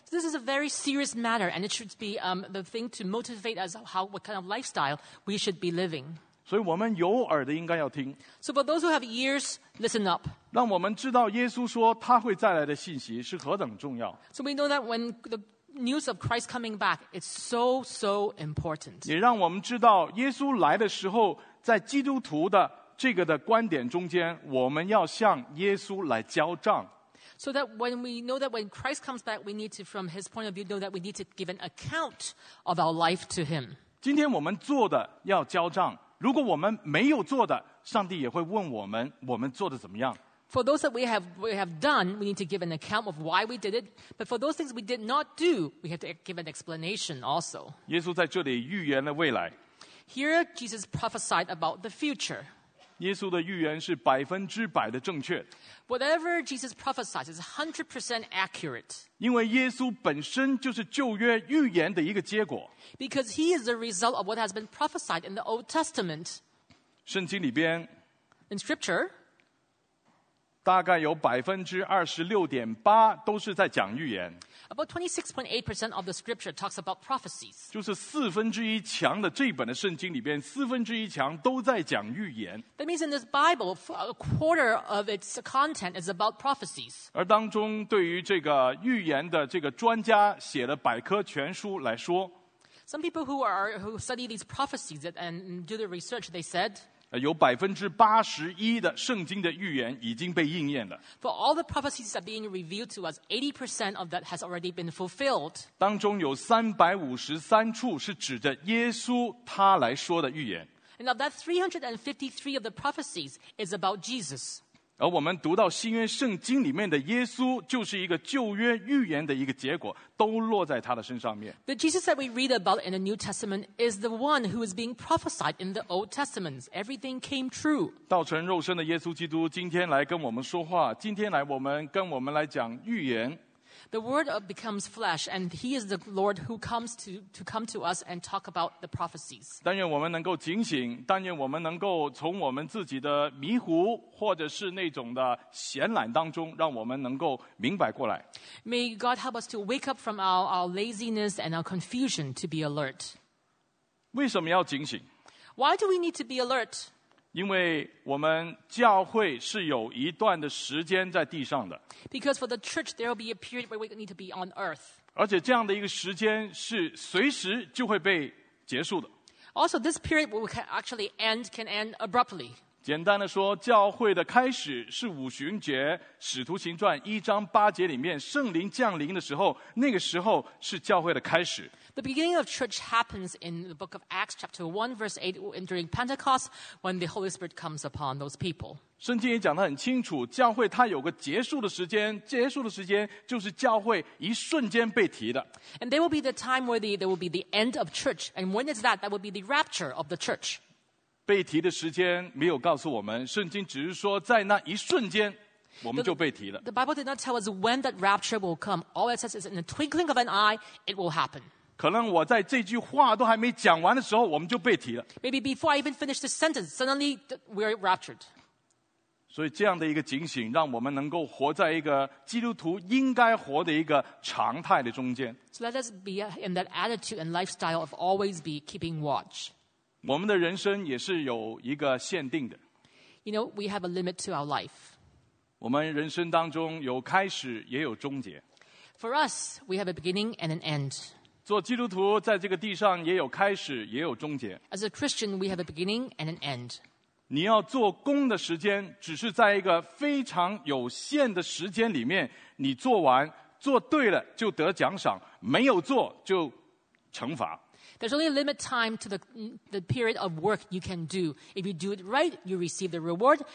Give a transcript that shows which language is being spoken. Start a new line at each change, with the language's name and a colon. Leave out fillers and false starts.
English: This is a very serious matter, and it should be the thing to motivate us how what kind of lifestyle we should be living.
Chinese: 所以我们有耳的应该要听。
English: So for those who have ears, listen up.
Chinese: 让我们知道耶稣说他会再来的信息是何等重要。
English: So we know that when the news of Christ coming back, it's so, so important.
Chinese: 也让我们知道耶稣来的时候，在基督徒的这个的观点中间，我们要向耶稣来交账。
English: So that when we know that when Christ comes back, we need to, from his point of view, know that we need to give an account of our life to him.
Chinese: 今天我们做的要交账。如果我们没有做的，上帝也会问我们，我们做的怎么样。
English: For those that we have done, we need to give an account of why we did it. But for those things we did not do, we have to give an explanation also.
Chinese: 耶稣在这里预言了未来。
English: Here Jesus prophesied about the future.
Chinese: 耶稣的预言是百分之百的正确。
English: Whatever Jesus prophesied is 100% accurate.
Chinese: 因为耶稣本身就是旧约预言的一个结果。
English: Because he is the result of what has been prophesied in the Old Testament.
Chinese: 圣经里边
English: In Scripture,
Chinese: 大概有 26.8% 都是在讲预言。
English: About 26.8% of the Scripture talks about prophecies.
Chinese: 就是四分之一强的这本的圣经里边，四分之一强都在讲预言。
English: That means in this Bible, a quarter of its content is about prophecies.
Chinese: 而当中对于这个预言的这个专家写的百科全书来说
English: ，Some people who study these prophecies and do the research, they said.
Chinese: 有81%的圣经的预言已经被应验了。
English: For all the prophecies that are being revealed to us, 80% of that has already been fulfilled.
Chinese: 当中有353处是指着耶稣他来说的预言。
English: And of that 353 of the prophecies is about Jesus.
Chinese: 而我们读到新约圣经里面的耶稣就是一个旧约预言的一个结果，都落在他的身上面。
English: The Jesus that we read about in the New Testament is the one who is being prophesied in the Old Testament. Everything came true.
Chinese: 道成肉身的耶稣基督今天来跟我们说话，今天来跟我们来讲预言。
English: The word becomes flesh, and he is the Lord who comes to come to us and talk about the prophecies.
Chinese: 但愿我们能够警醒，但愿我们能够从我们自己的迷糊或者是那种的闲懒当中，让我们能够明白过来。
English: May God help us to wake up from our laziness and our confusion to be alert.
Chinese: 为什么要警醒？
English: Why do we need to be alert?
Chinese: 因为我们教会是有一段的时间在地上的。
English: Because for the church, there will be a period where we need to be on earth.
Chinese: 而且这样的一个时间是随时就会被结束的。
English: Also, this period we can actually end can end abruptly.
Chinese: 简单的说，教会的开始是五旬节，《使徒行传》1:8里面圣灵降临的时候，那个时候是教会的开始。
English: The beginning of church happens in the book of Acts, chapter 1, verse 8, during Pentecost, when the Holy Spirit comes upon those people.
Chinese: 圣经也讲得很清楚，教会它有个结束的时间，结束的时间就是教会一瞬间被提的。
English: And there will be the time where there will be the end of church. And when is that? That will be the rapture of the church.
Chinese: 被提的时间没有告诉我们，圣经只是说在那一瞬间我们就被提了。
English: The Bible did not tell us when that rapture will come. All it says is in the twinkling of an eye, it will happen.
Chinese: 可能我在这句话都还没讲完的时候，我们就被提了。
English: Maybe before I even finish the sentence, suddenly we're raptured.
Chinese: 所以这样的一个警醒，让我们能够活在一个基督徒应该活的一个常态的中间。
English: So let us be in that attitude and lifestyle of always be keeping watch.
Chinese: 我们的人生也是有一个限定的。
English: You know, we have a limit to our life.
Chinese: 我们人生当中有开始，也有终结。
English: For us, we have a beginning and an end.
Chinese: 做基督徒在这个地上也有开始也有终结。
English: As a Christian, we have a beginning and an end.
Chinese: 你要做工的时间只是在一个非常有限的时间里面，你做完做对了就得奖赏，没有做就惩罚。
English: There's only a limit time to the period of work you can do. If you do it right, you receive the reward.